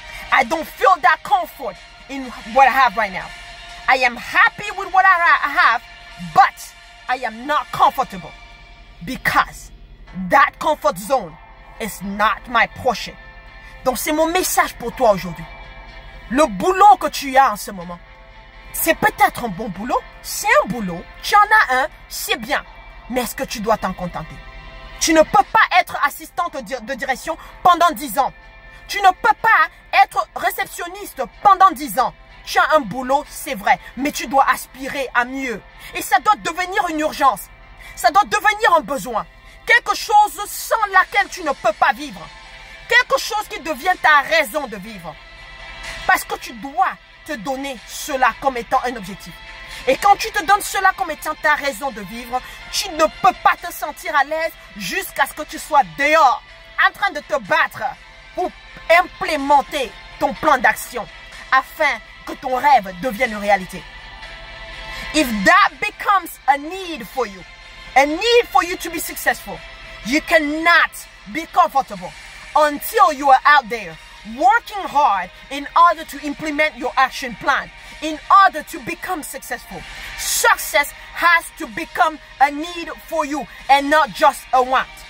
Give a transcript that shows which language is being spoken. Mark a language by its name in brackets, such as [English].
[English] I don't feel that comfort in what I have right now. I am happy with what I have, but I am not comfortable because that comfort zone is not my portion. [French] Donc c'est mon message pour toi aujourd'hui. Le boulot que tu as en ce moment, c'est peut-être un bon boulot, c'est un boulot, tu en as un, c'est bien, mais est-ce que tu dois t'en contenter? Tu ne peux pas être assistante de direction pendant 10 ans. Tu ne peux pas être réceptionniste pendant 10 ans. Tu as un boulot, c'est vrai, mais tu dois aspirer à mieux. Et ça doit devenir une urgence. Ça doit devenir un besoin. Quelque chose sans laquelle tu ne peux pas vivre. Quelque chose qui devient ta raison de vivre. Parce que tu dois te donner cela comme étant un objectif. Et quand tu te donnes cela comme étant ta raison de vivre, tu ne peux pas te sentir à l'aise jusqu'à ce que tu sois dehors, en train de te battre pour implémenter ton plan d'action afin que ton rêve devienne une réalité. [English] If that becomes a need for you to be successful, you cannot be comfortable until you are out there working hard in order to implement your action plan. In order to become successful, success has to become a need for you and not just a want.